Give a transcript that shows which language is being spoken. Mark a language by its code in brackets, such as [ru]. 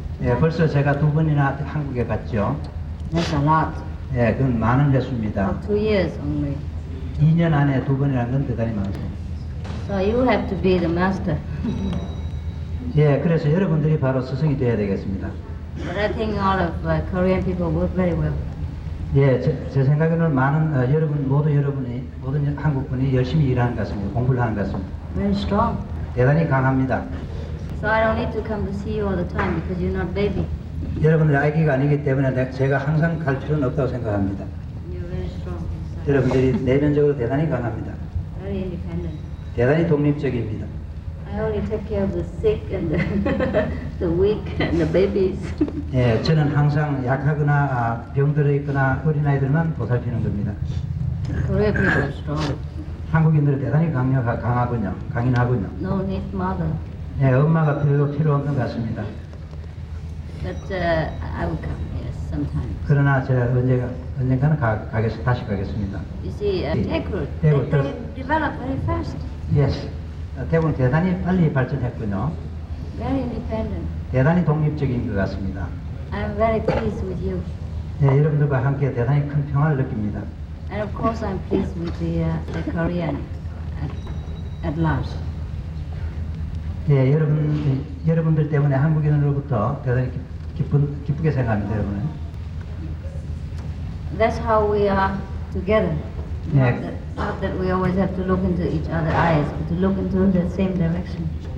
[ko] 예, 벌써 제가 두 번이나 한국에 갔죠. [en] That's a lot. [ko] 예, 그건 많은 횟수입니다. [en] For 2 years only. [ko] 2년 안에 두 번이라는 건 대단히 많습니다. [en] So you have to be the master. [ko] 예, 그래서 여러분들이 바로 스승이 되어야 되겠습니다. [en] But I think all of Korean people work very well. [ko] 예, 제 생각에는 많은 여러분 모두 여러분이 모든 한국 분이 열심히 일하는 것 같습니다. 공부를 하는 것 같습니다. [en] Very strong. [ko] 대단히 강합니다. [en] So I don't need to come to see you all the time because you're not baby. [ko] 여러분들 아기가 아니기 때문에 제가 항상 갈 필요는 없다고 생각합니다. [en] You're very strong. Inside. [ko] 여러분들이 내면적으로 대단히 강합니다. [en] Very independent. [ko] 대단히 독립적입니다. [en] I only take care of the sick and the weak and the babies. [ko] 예, 저는 항상 약하거나 병들어 있거나 어린아이들만 보살피는 겁니다. [en] Korean people are strong. [ko] 한국인들은 대단히 강하군요. 강인하군요. [en] No need mother. [ko] 네, 엄마가 별로 필요 없는 것 같습니다. [en] But I will come, yes, sometimes. [ko] 그러나 제가 언젠가는 다시 가겠습니다. [en] You see, Daegu, they developed very fast. Yes, [ko] Daegu는 대단히 빨리 발전했군요. [en] Very independent. [ko] 대단히 독립적인 것 같습니다. [en] I'm very pleased with you. [ko] 네, 여러분들과 함께 대단히 큰 평화를 느낍니다. [en] And of course I'm pleased with the Korean at large. [ko] 예, 여러분들 때문에 한국인으로부터 대단히 기쁘게 생각합니다, 여러분은. [en] That's how we are together. [ko] 네. [en] Not that we always have to look into each other's eyes, but to look into the same direction.